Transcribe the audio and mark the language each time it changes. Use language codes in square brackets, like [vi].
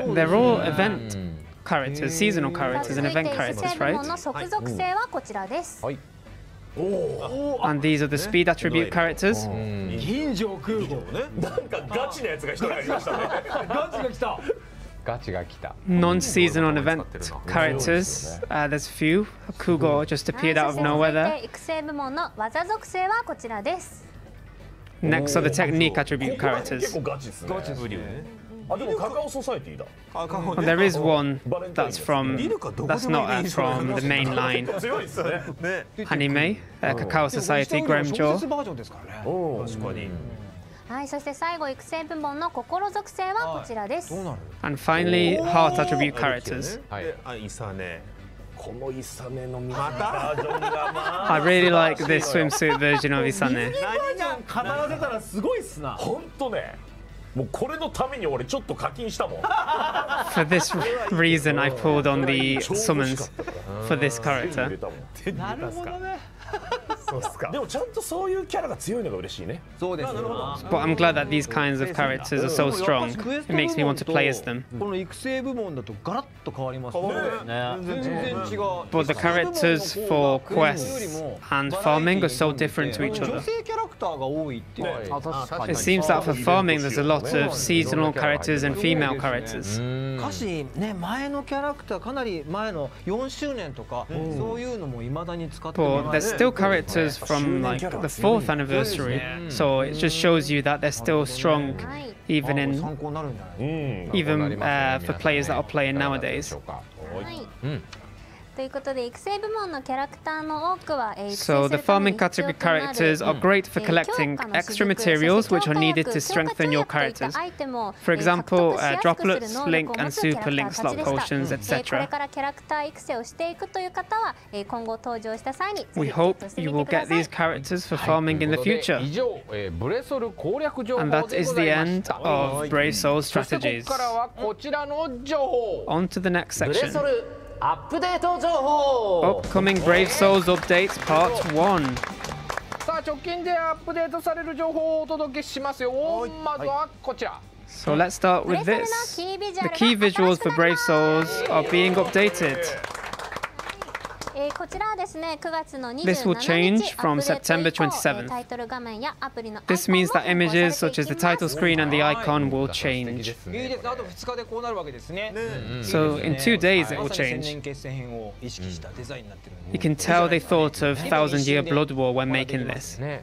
[en] They're all event characters, seasonal characters and event characters, right? [ja] 続いて、属性はこちらです。はい。おお。 [en] And these are the speed attribute characters. [ja] 銀城空母ね。なんかガチなやつが一人入りましたね。ガチが来た。ガチが来た。 [en] Non-seasonal event characters. There's a few. Kugo just appeared out of nowhere there. [ja] 続いて、育成部門の技属性はこちらです。 [en] Next are the technique attribute characters. [ja] 結構ガチですね。ガチぶりよね。あ、でもカカオソサエティだ。 [en] And there is one that's from that's not from the mainline anime. [ja] カカオソサエティ、グレムジョー。バージョンですからね。確かに。はい、そして最後育成部門の心属性はこちらです。 [en] And finally, heart attribute characters. [ja] はい、イサネ。このイサネのみんなバージョンがまあ。 [en] I really like this swimsuit version of イサネ。 [ja] 何が必ず出たらすごいっすな。本当ね。もうこれのために俺ちょっと課金したもん。 [en] For this reason, I pulled on the summons for this character. [ja] なるほどね。そうっすか。でもちゃんとそういうキャラが強いのが嬉しいね。そうですね。 [en] But I'm glad that these kinds of characters are so strong. It makes me want to play as them. [ja] この育成部門だとガラッと変わりますね。全然違う。 [en] But the characters for quests and farming are so different to each other. [ja] 女性キャラクターが多いっていう。確かに。 [en] It seems that for farming there's a lot of seasonal characters and female characters. [ja] しかしね、前のキャラクターかなり前の4周年とかそういうのも未だに使ってる。 [en] Still characters from like the 4th anniversary, so it just shows you that they're still strong even in even for players that are playing nowadays. [ja] ということで育成部門のキャラクターの多くは [en] So the farming category characters are great for collecting extra materials which are needed to strengthen your characters. For example, droplets, link and super link slot potions, etc. [ja] これからキャラクター育成をしていくという方は今後登場した際に [en] We hope you will get these characters for farming in the future. [ja] 以上、ブレソル攻略情報でございます。 [en] And that is the end of Brave Soul strategies. [ja] そしてここからはこちらの情報。 [en] On to the next section. [ja] アップデート情報 [en] Upcoming Brave Souls Update Part [ja] 1さあ直近でアップデートされる情報をお届けしますよまずはこちら [en] So let's start with this The key visuals for Brave Souls are being updated [ja] こちらはですね、9月の27日 [en] This will change from September 27th. [ja] タイトル画面やアプリのアイコン [en] This means that images such as the title screen and the icon will change. [ja] いいですね。あと2日でこうなるわけですね。 [en] So in 2 days it will change. [ja] まさに千年決戦編を意識したデザインになってる。 [en] You can tell they thought of Thousand Year Blood War when making this.